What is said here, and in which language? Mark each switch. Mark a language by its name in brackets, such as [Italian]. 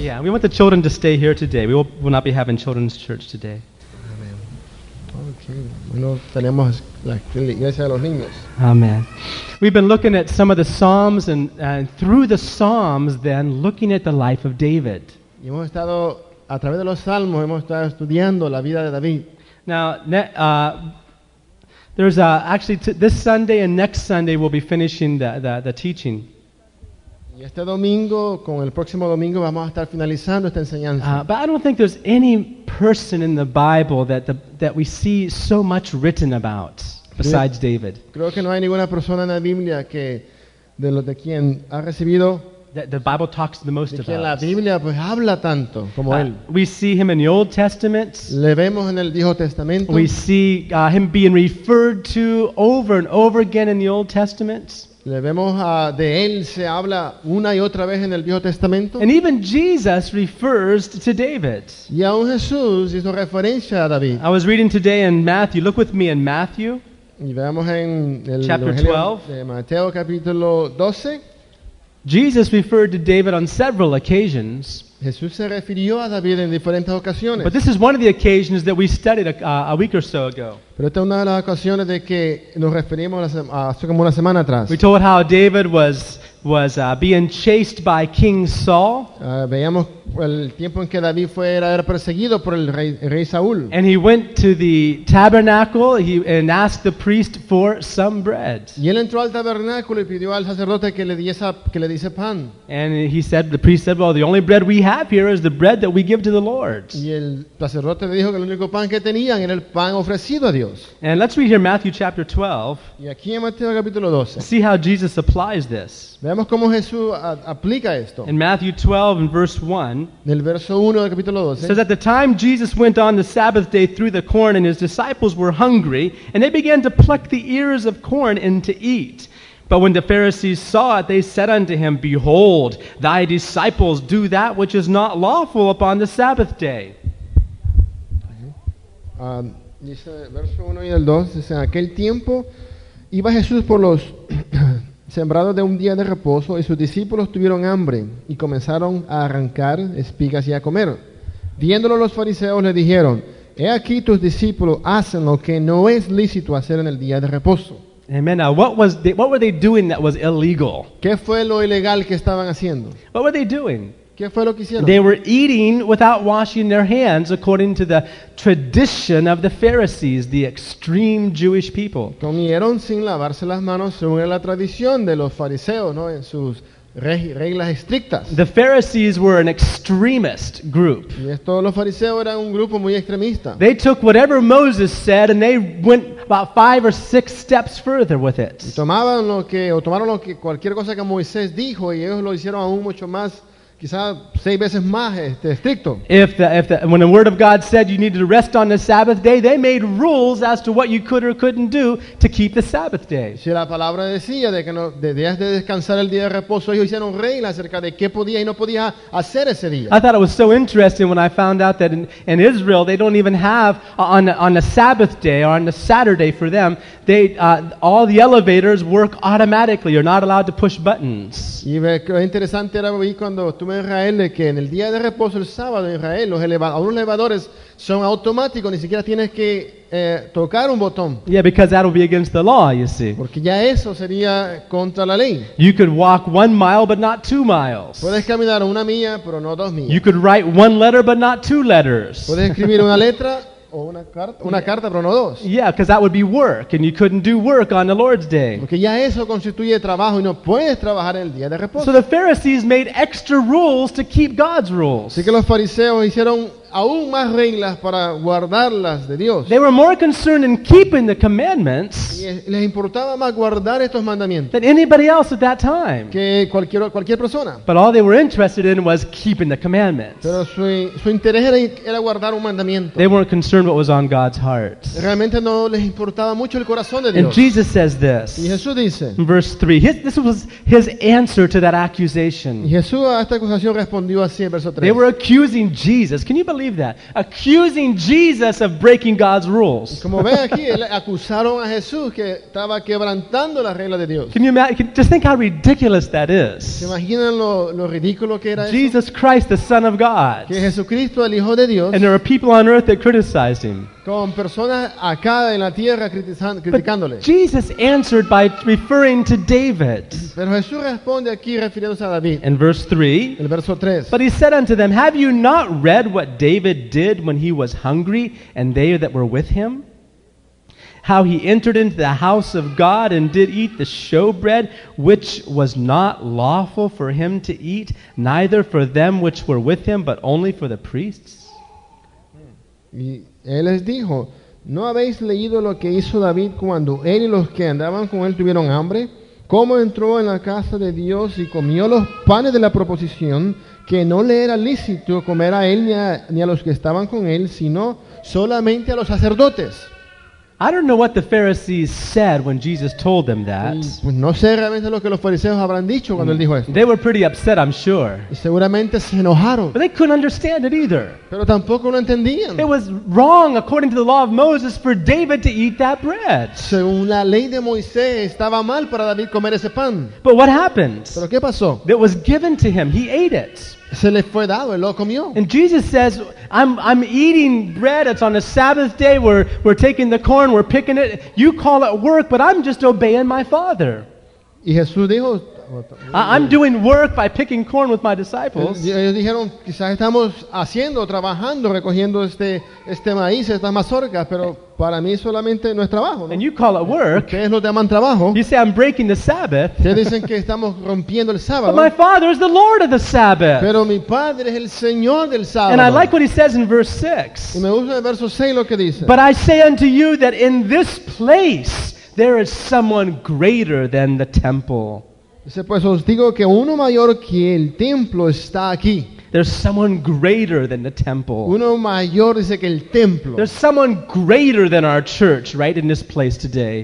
[English] Yeah, we want the children to stay here today. We will not be having children's church today. [Spanish] Amen. Okay. Bueno, tenemos la iglesia de los niños. [English] Amen. We've been looking at some of the psalms and through the psalms then looking at the life of David. [Spanish] Y hemos estado a través de los salmos hemos estado estudiando la vida de David. [English] Now, this Sunday and next Sunday we'll be finishing the teaching. [Spanish] Y este domingo, con el próximo domingo, vamos a estar finalizando esta enseñanza. [English] But I don't think there's any person in the Bible that we see so much written about besides David. [Spanish] Creo que no hay ninguna persona en la Biblia que de lo de quien ha recibido [English] that the Bible talks the most [Spanish] de [English] about. [Spanish] De la Biblia pues habla tanto como él. [English] We see him in the Old Testament. [Spanish] Le vemos en el Viejo Testamento. [English] We see him being referred to over and over again in the Old Testament. [Spanish] Le vemos de él se habla una y otra vez en el Viejo Testamento. [English] And even Jesus refers to David. [Spanish] Y aún Jesús hizo referencia a David. [English] I was reading today in Matthew. Look with me in Matthew. [Spanish] Y vemos en el [English] chapter [Spanish] Evangelio [English] 12. [Spanish] De Mateo capítulo 12. [English] Jesus referred to David on several occasions. [Spanish] Jesús se refirió a David en diferentes ocasiones. [English] But this is one of the occasions that we studied a week or so ago. [Spanish] Pero esta es una de las ocasiones de que nos referimos hace como una semana atrás. [English] We told how David was being chased by King Saul. [Spanish] Veíamos el tiempo en que David fue era perseguido por el rey Saúl. [English] And he went to the tabernacle and asked the priest for some bread. [Spanish] Y él entró al tabernáculo y pidió al sacerdote que le diese pan. [English] And he said, the priest said, well, the only bread we have here is the bread that we give to the Lord. [Spanish] Y el sacerdote le dijo que el único pan que tenían era el pan ofrecido a Dios. [English] And let's read here Matthew chapter 12. [Spanish] Y aquí en Mateo capítulo 12. [English] See how Jesus applies this. [Spanish] Veamos cómo Jesús aplica esto. [English] In Matthew 12 and verse 1. [Spanish] Del verso 1 del capítulo 12. [English] Says at the time Jesus went on the Sabbath day through the corn and his disciples were hungry and they began to pluck the ears of corn and to eat. But when the Pharisees saw it, they said unto him, Behold, thy disciples do that which is not lawful upon the Sabbath day. [Spanish] Dice verso 1 y el 2, dice, en aquel tiempo iba Jesús por los sembrados de un día de reposo, y sus discípulos tuvieron hambre, y comenzaron a arrancar espigas y a comer. Viéndolo los fariseos le dijeron, He aquí tus discípulos hacen lo que no es lícito hacer en el día de reposo. [English] Amen. Now, what were they doing that was illegal? [Spanish] ¿Qué fue lo ilegal que estaban haciendo? [English] What were they doing? [Spanish] ¿Qué fue lo que hicieron? [English] They were eating without washing their hands, according to the tradition of the Pharisees, the extreme Jewish people. [Spanish] Comieron sin lavarse las manos según la tradición de los fariseos, ¿no? En sus reglas estrictas. [English] The Pharisees were an extremist group. [Spanish] Y esto, los fariseos eran un grupo muy extremista. [English] They took whatever Moses said and they went about 5 or 6 steps further with it. [Spanish] Tomaron lo que cualquier cosa que Moisés dijo y ellos lo hicieron aún mucho más. Quizás 6 veces más estricto. [English] When the word of God said you needed to rest on the Sabbath day, they made rules as to what you could or couldn't do to keep the Sabbath day. [Spanish] Si la palabra decía de que no debías de descansar el día de reposo, ellos hicieron reglas acerca de qué podía y no podía hacer ese día. [English] I thought it was so interesting when I found out that in Israel they don't even have on the Sabbath day or on the Saturday for them, they all the elevators work automatically. You're not allowed to push buttons. [Spanish] Y interesante era cuando estuve en Israel que en el día de reposo el sábado en Israel los elevadores son automáticos, ni siquiera tienes que tocar un botón. [English] Yeah, because that would be against the law, you see. [Spanish] Porque ya eso sería contra la ley. [English] You could walk 1 mile, but not 2 miles. [Spanish] Puedes caminar 1 milla, pero no 2 millas. [English] You could write 1 letter, but not 2 letters. [Spanish] Puedes escribir una letra, o una carta, una carta, pero no dos. [English] Yeah, because that would be work, and you couldn't do work on the Lord's day. [Spanish] Porque ya eso constituye trabajo y no puedes trabajar en el día de reposo. [English] So the Pharisees made extra rules to keep God's rules. [Spanish] Así que los fariseos hicieron aún más reglas para guardarlas de Dios. [English] They were more concerned in keeping the commandments. [Spanish] Y les importaba más guardar estos mandamientos. [English] Than anybody else at that time. [Spanish] Que cualquier persona. [English] But all they were interested in was keeping the commandments. [Spanish] Pero su interés era guardar un mandamiento. [English] They weren't concerned what was on God's heart. [Spanish] Realmente no les importaba mucho el corazón de Dios. [English] And Jesus says this. [Spanish] Y Jesús dice. [English] In verse 3. This was his answer to that accusation. [Spanish] Y Jesús a esta acusación respondió así en verso 3. [English] They were accusing Jesus. Can you believe that? Accusing Jesus of breaking God's rules. [Spanish] Como ven aquí, acusaron a Jesús que estaba quebrantando las reglas de Dios. [English] Can you imagine? Just think how ridiculous that is. [Spanish] ¿Se imaginan lo ridículo que era [English] Jesus [Spanish] eso? [English] Christ, the Son of God. [Spanish] Que Jesucristo, el Hijo de Dios. [English] And there are people on earth that criticized him. [Spanish] Con personas acá en la tierra criticándole. [English] But Jesus answered by referring to David. [Spanish] Pero Jesús responde aquí refiriéndose a David. [English] In verse 3. [Spanish] El verso 3. [English] But he said unto them, have you not read what David did when he was hungry and they that were with him? How he entered into the house of God and did eat the showbread, which was not lawful for him to eat, neither for them which were with him, but only for the priests. [Spanish] Y él les dijo, ¿no habéis leído lo que hizo David cuando él y los que andaban con él tuvieron hambre? ¿Cómo entró en la casa de Dios y comió los panes de la proposición, que no le era lícito comer a él ni a los que estaban con él, sino solamente a los sacerdotes? [English] I don't know what the Pharisees said when Jesus told them that. [Spanish] Pues no sé realmente lo que los fariseos habrán dicho cuando él dijo esto. [English] They were pretty upset, I'm sure. [Spanish] Y seguramente se enojaron. [English] But they couldn't understand it either. [Spanish] Pero tampoco lo entendían. [English] It was wrong according to the law of Moses for David to eat that bread. [Spanish] Según la ley de Moisés estaba mal para David comer ese pan. [English] But what happened? [Spanish] ¿Pero qué pasó? [English] It was given to him. He ate it. [Spanish] Se le fue dado, él lo comió. [English] And Jesus says, I'm eating bread, it's on a Sabbath day, we're taking the corn, we're picking it. You call it work, but I'm just obeying my Father. [Spanish] Y Jesús dijo, [English] I'm doing work by picking corn with my disciples. [Spanish] Ellos dijeron, quizás estamos haciendo, trabajando, recogiendo este maíz, estas mazorcas, pero para mí solamente no es trabajo, ¿no? [English] And you call it work. [Spanish] Ustedes lo llaman trabajo. [English] You say I'm breaking the Sabbath. [Spanish] Ustedes dicen que estamos rompiendo el sábado. [English] But my Father is the Lord of the Sabbath. [Spanish] Pero mi Padre es el Señor del sábado. [English] And I like what he says in verse 6. [Spanish] Y me gusta el verso 6 lo que dice. [English] But I say unto you that in this place there is someone greater than the temple. [Spanish] Dice, pues os digo que uno mayor que el templo está aquí. [English] There's someone greater than the temple. [Spanish] Uno mayor dice que el templo. [English] There's someone greater than our church right in this place today.